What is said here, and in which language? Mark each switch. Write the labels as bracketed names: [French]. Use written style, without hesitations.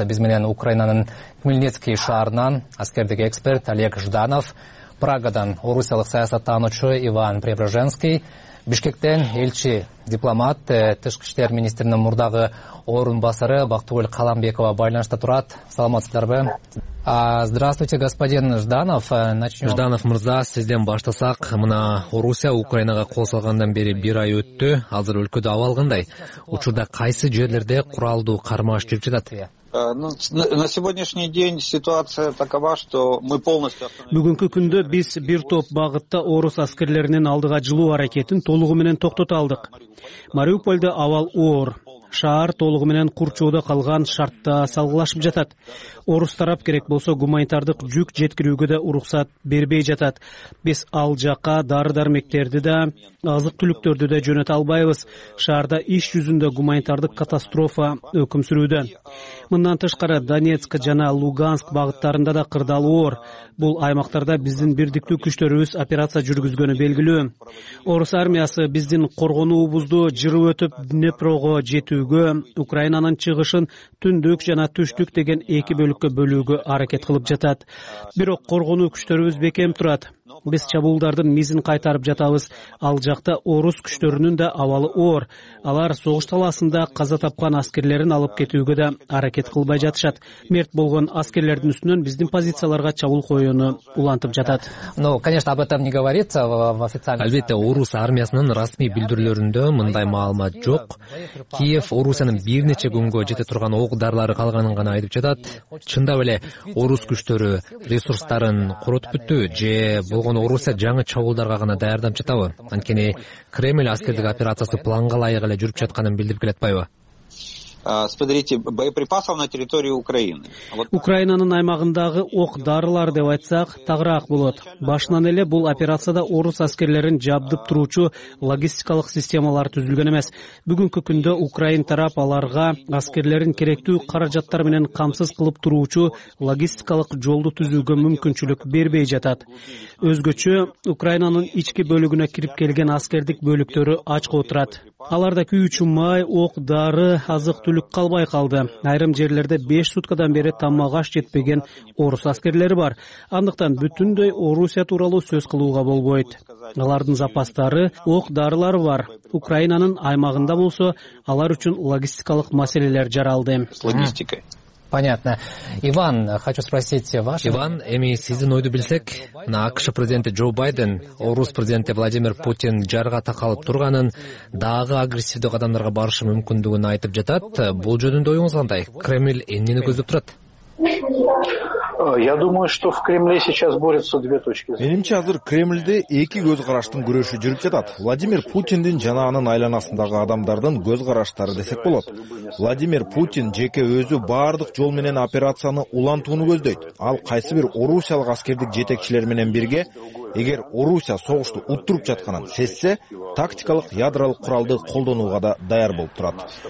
[Kyrgyz] Биз менен Украинанын Хмельницкий шаарынан аскердик эксперт Олег Жданов, Прагадан орусиялык саясаттануучу Иван Преображенский, Бишкектен элчи дипломат, тышкы иштер министринин мурдагы орун басары Бактыгүл Каламбекова байланышта турат. Саламатсыздарбы? [Russian] Здравствуйте, господин Жданов. Начнем. [Kyrgyz] Жданов мырза, сизден баштасак, мына Орусия Украинага кол салгандан бери 1 ай өттү. Азыр өлкөдө абал кандай? Учурда кайсы жерлерде куралдуу кармаш жүрүп жатат? [Russian] На сегодняшний день ситуация такова, что мы полностью остановились. [Kyrgyz] Бүгүнкү күндө биз бир топ багытта орус аскерлеринин алдыга жылуу аракетин толугу менен токтото алдык. Мариуполдо абал оор. Шаар толугу менен курчоодо калган шартта салгылашып жатат. Орус тарап керек болсо гуманитардык жүк жеткирүүгө да уруксат бербей жатат. Биз ал жакка дары-дармектерди да, азык түлүктөрдү да жөнөтө албайбыз. Шаарда иш жүзүндө гуманитардык катастрофа өкүм сүрүүдө. Мындан тышкары Донецк жана Луганск багыттарында да кырдаал оор. Бул аймактарда биздин бирдиктүү күчтөрүбүз операция жүргүзгөнү белгилүү. Орус армиясы биздин коргонуубузду жырып өтүп Днепрого жетүүгө, Украинанын чыгышын түндүк жана түштүк деген 2 бөлүккө бөлүүгө аракет кылып жатат. Бирок коргонуу күчтөрүбүз бекем турат. Биз чабуулдардын мизин кайтарып жатабыз. Ал жакта орус күчтөрүнүн да абалы оор. Алар согуш талаасында каза тапкан аскерлерин алып кетүүгө да аракет кылбай жатышат. Мерт болгон аскерлердин үстүнөн биздин позицияларга чабуул коюуну улантып жатат. [Russian] Ну, конечно, об этом не говорится в официальном. [Kyrgyz] Албетте, орус армиясынын расмий билдирүүлөрүндө мындай маалымат жок. Киев Орусиянын бир нече күнгө жете турган ок дарылары калганын гана айтып жатат. Чындап эле орус күчтөрү ресурстарын куротуп бүттү же болгону Орусия жаңы чабуулдарга гана даярданып жатабы? Анткени Кремль аскердик операциясы планга ылайык эле жүрүп жатканын билдирип келе атпайбы? [Russian] Смотрите, боеприпасов на территории Украины. [Kyrgyz] Украинанын аймагындагы ок дарылар деп айтсак, тагыраак болот. Башынан эле бул операцияда орус аскерлерин жабдып туруучу логистикалык системалар түзүлгөн эмес. Бүгүнкү күндө Украин тарап аларга аскерлерин керектүү каражаттар менен камсыз кылып туруучу логистикалык жолду түзүүгө мүмкүнчүлүк бербей жатат. Өзгөчө, Украинанын ички бөлүгүнө кирип келген аскердик бөлүктөрү ачка отурат. Аларда күйүүчү май, ок, дары, азык түлүк калбай калды. Айрым жерлерде 5 суткадан бери тамак аш жетпеген орус аскерлери бар. Андыктан бүтүндөй Орусия тууралуу сөз кылууга болбойт. Алардын запастары, ок, дарылары бар. Украинанын аймагында болсо, алар үчүн логистикалык маселелер жаралды. Логистика. [Russian] Понятно. Иван, хочу спросить ваше... [Kyrgyz] Иван, эми сиздин ойду билсек, мына АКШ президенти Джо Байден, Орус президенти Владимир Путин жарга такалып турганын, дагы агрессивдүү кадамдарга барышы мүмкүндүгүн айтып жатат. Бул жөнүндө оюңуз кандай? Кремль эмнени көздөп турат? [Russian] Я думаю, что в Кремле сейчас борются две точки зрения. [Kyrgyz] Менимче азыр Кремлде эки көз караштын күрөшү жүрүп жатат. Владимир Путиндин жана анын айланасындагы адамдардын көз караштары десек болот. Владимир Путин жеке өзү бардык жол менен операцияны улантууну көздөйт. Ал кайсы бир орусиялык аскердик жетекчилер менен бирге, эгер Орусия согушту уттуруп жатканын сезсе, тактикалык ядролук куралды колдонууга да даяр болуп турат.